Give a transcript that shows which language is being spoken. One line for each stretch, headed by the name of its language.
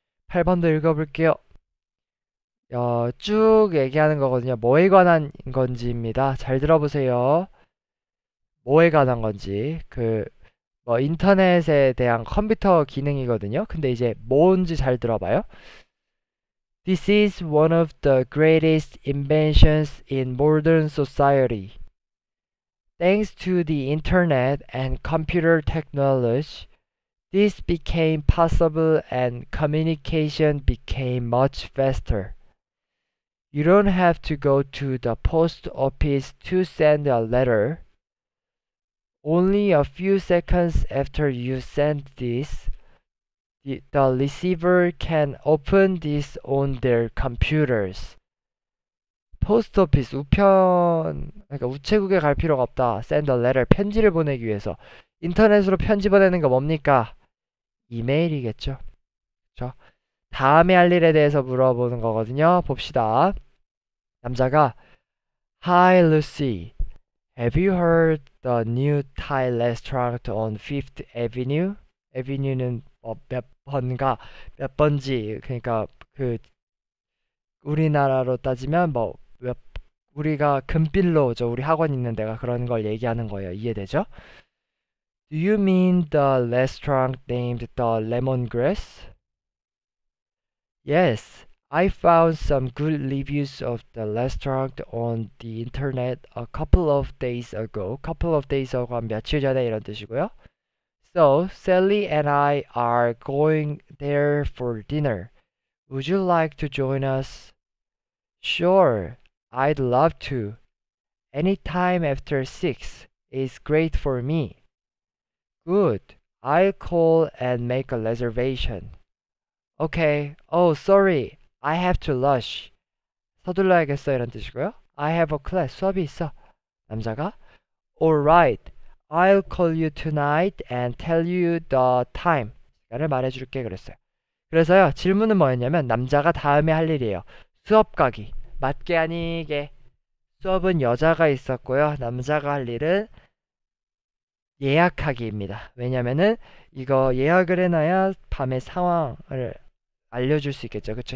Korean: 8번도 읽어볼게요. 쭉 얘기하는 거거든요. 뭐에 관한 건지입니다. 잘 들어보세요. 뭐에 관한 건지. 뭐 인터넷에 대한 컴퓨터 기능이거든요. 근데 이제 뭔지 잘 들어봐요.
English: This is one of the greatest inventions in modern society. Thanks to the internet and computer technology, This became possible and communication became much faster. You don't have to go to the post office to send a letter. Only a few seconds after you send this, the receiver can open this on their computers.
Korean: 포스트 오피스, 우편, 그러니까 우체국에 갈 필요가 없다.
English: Send a letter,
Korean: 편지를 보내기 위해서. 인터넷으로 편지 보내는 게 뭡니까? 이메일이겠죠. 그렇죠? 다음에 할 일에 대해서 물어보는 거거든요. 봅시다. 남자가
English: Hi, Lucy. Have you heard the new Thai restaurant on Fifth Avenue?
Korean: Avenue는 뭐몇 번가, 몇 번지. 그러니까 그 우리나라로 따지면 뭐몇 우리가 금빌로 저 우리 학원 있는 데가 그런 걸 얘기하는 거예요. 이해되죠?
English: Do you mean the restaurant named the Lemongrass? Yes, I found some good reviews of the restaurant on the internet a couple of days ago. Couple of days ago가
Korean: 며칠 전에 이런 뜻이고요.
English: So, Sally and I are going there for dinner. Would you like to join us? Sure, I'd love to. Anytime after 6 is great for me. Good. I'll call and make a reservation. Okay. Oh, sorry. I have to rush.
Korean: 서둘러야겠어. 이런 뜻이고요.
English: I have a class.
Korean: 수업이 있어. 남자가.
English: Alright. I'll call you tonight and tell you the time.
Korean: 시간을 말해줄게. 그랬어요. 그래서요. 질문은 뭐였냐면 남자가 다음에 할 일이에요. 수업 가기. 맞게 아니게. 수업은 여자가 있었고요. 남자가 할 일은 예약하기입니다. 왜냐면은 이거 예약을 해놔야 밤의 상황을 알려줄 수 있겠죠. 그쵸?